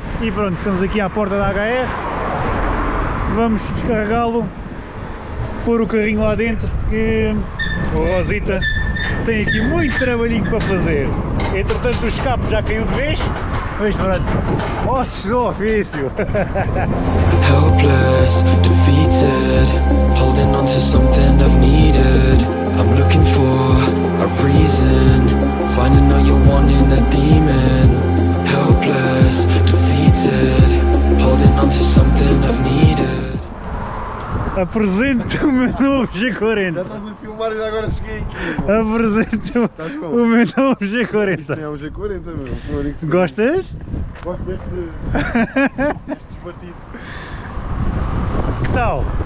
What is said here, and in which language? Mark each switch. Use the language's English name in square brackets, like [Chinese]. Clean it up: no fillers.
[Portuguese] E pronto, estamos aqui à porta da HR. Vamos descarregá-lo, pôr o carrinho lá dentro, que o Rosita tem aqui muito trabalhinho para fazer. Entretanto, o escape já caiu de vez, mas pronto, ossos do ofício. [English] Helpless, defeated, holding on to something I've needed. I'm looking for a reason, finding all you want in that demon. Helpless, defeated, holding on to something I've needed. [Portuguese] Apresento o meu novo G40. Já estás a filmar e já agora cheguei aqui. Apresento o meu novo G40. Isto é um G40, meu. Gostas? Gosto deste desbatido. Que tal?